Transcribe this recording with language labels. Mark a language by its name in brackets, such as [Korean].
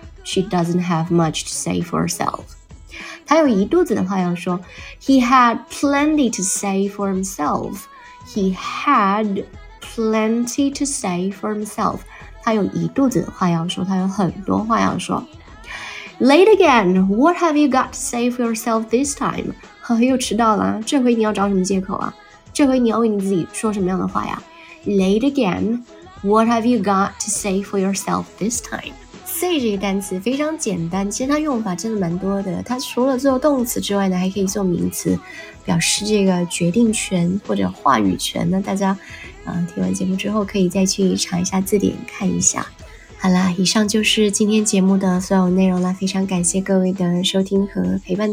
[English] She doesn't have much to say for herself. [Chinese] 他有一肚子的话要说。 [English] He had plenty to say for himself. He had. Plenty to say for himself. [Chinese] 他有一肚子话要说，他有很多话要说。 [English] Late again. What have you got to say for yourself this time? [Chinese] 呵呵，又迟到了，这回你要找什么借口啊？这回你要为你自己说什么样的话呀？ [English] Late again. What have you got to say for yourself this time? [Chinese] say 这个单词非常简单，其实它用法真的蛮多的。它除了做动词之外呢，还可以做名词，表示这个决定权或者话语权呢。大家，听完节目之后可以再去查一下字典看一下。好啦，以上就是今天节目的所有内容啦，非常感谢各位的收听和陪伴。